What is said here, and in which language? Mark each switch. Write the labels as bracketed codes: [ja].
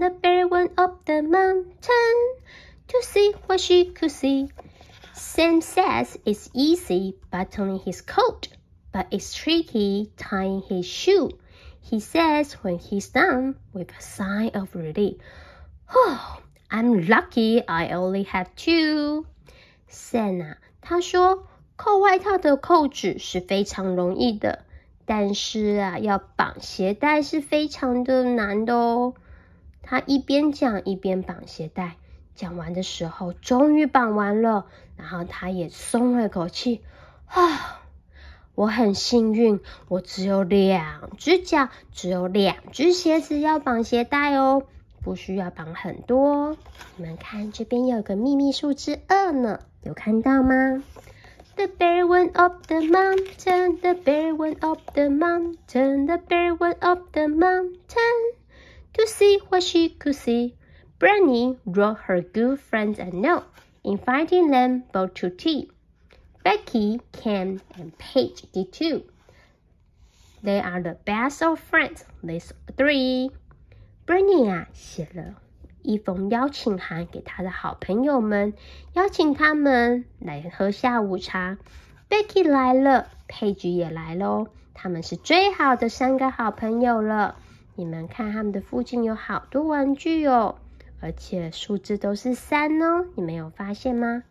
[en] The bear went up the mountain to see what she could see. Sam says it's easy buttoning his coat, but it's tricky tying his shoe. He says when he's done, with a sigh of relief, "Oh, I'm lucky I only have two." [zh] Sam 啊，他说扣外套的扣子是非常容易的。但是啊，要绑鞋带是非常的难的哦。他一边讲一边绑鞋带，讲完的时候终于绑完了，然后他也松了口气。啊，我很幸运，我只有两只脚，只有两只鞋子要绑鞋带哦，不需要绑很多。你们看这边有个秘密数字二呢，有看到吗？ [en] The bear went up the mountain. The bear went up the mountain. The bear went up the mountain to see what she could see. Brandy wrote her good friends a note, inviting them both to tea. Becky, Cam, and Paige did too. They are the best of friends, these three. [zh] Brandy 啊，写了一封邀请函给他的好朋友们，邀请他们来喝下午茶。 Becky 来了，佩吉也来喽，他们是最好的三个好朋友了。你们看他们的附近有好多玩具哦，而且数字都是三哦，你们有发现吗？